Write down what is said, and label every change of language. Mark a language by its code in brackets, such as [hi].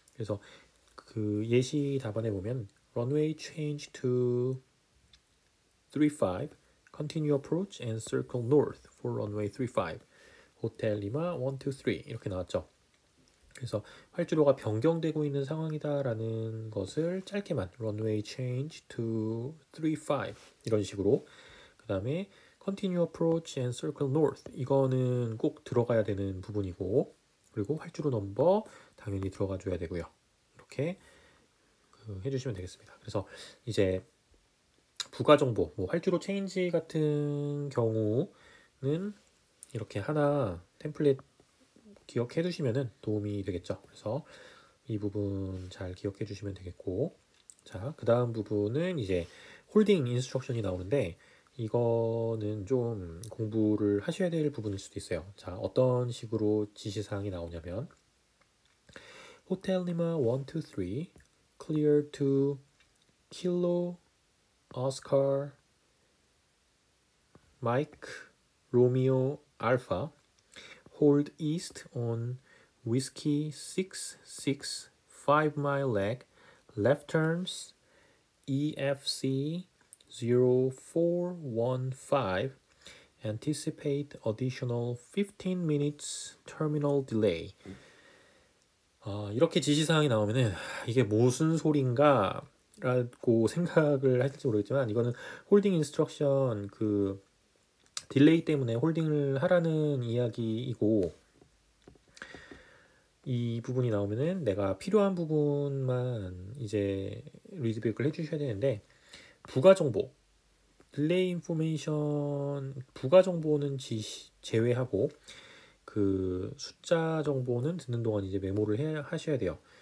[ko] 그래서 그 예시 답안에 보면 [en] runway change to 35, continue approach and circle north for runway 35. [ko] Hotel Lima 1, 2, 3 이렇게 나왔죠. 그래서 활주로가 변경되고 있는 상황이다라는 것을 짧게만 [en] runway change to 35 [ko] 이런 식으로 그 다음에 [en] continue approach and circle north [ko] 이거는 꼭 들어가야 되는 부분이고 그리고 활주로 넘버 당연히 들어가 줘야 되고요. 이렇게 해주시면 되겠습니다. 그래서 이제 부가정보 뭐 활주로 change 같은 경우는 이렇게 하나 템플릿 기억해 두시면은 도움이 되겠죠. 그래서 이 부분 잘 기억해 주시면 되겠고 자, 그 다음 부분은 이제 홀딩 인스트럭션이 나오는데 이거는 좀 공부를 하셔야 될 부분일 수도 있어요. [en] 자, 어떤 식으로 지시사항이 나오냐면 호텔 리마 1, 2, 3 clear to Kilo Oscar Mike Romeo Alpha Hold east on Whiskey 66, 5 mile leg, left turns EFC 0415, anticipate additional 15 minutes terminal delay. [ko] 이렇게 지시사항이 나오면은 이게 무슨 소린가 라고 생각을 하실지 모르겠지만 이거는 홀딩 인스트럭션 그 딜레이 때문에 홀딩을 하라는 이야기이고 이 부분이 나오면은 내가 필요한 부분만 이제 리드백을 해주셔야 되는데 부가정보 딜레이 인포메이션 부가정보는 제외하고 그 숫자 정보는 듣는 동안 이제 메모를 하셔야 돼요.